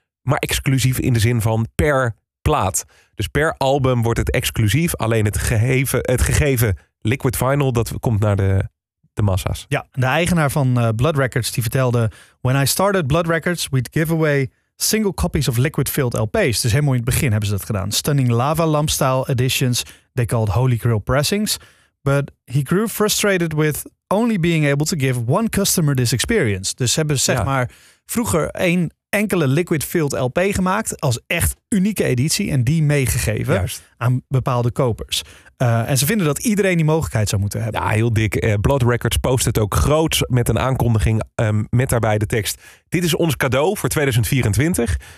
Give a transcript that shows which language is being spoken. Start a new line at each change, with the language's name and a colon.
Dutch: Maar exclusief in de zin van per plaat. Dus per album wordt het exclusief. Alleen het gegeven liquid vinyl, dat komt naar de massa's. Ja, de eigenaar van Blood Records die vertelde:
English: "When I started Blood Records, we'd give away single copies of liquid filled LP's."
Dutch: Dus helemaal in het begin hebben ze dat gedaan.
English: Stunning lava lamp style editions, they called Holy Grail pressings. But he grew frustrated with only being able to give one customer this experience.
Dutch: Dus ze hebben zeg maar vroeger één enkele liquid filled LP gemaakt als echt unieke editie en die meegegeven aan bepaalde kopers. En ze vinden dat iedereen die mogelijkheid zou moeten hebben. Ja, heel dik. Blood Records post het ook groot met een aankondiging met daarbij de tekst: dit is ons cadeau voor 2024.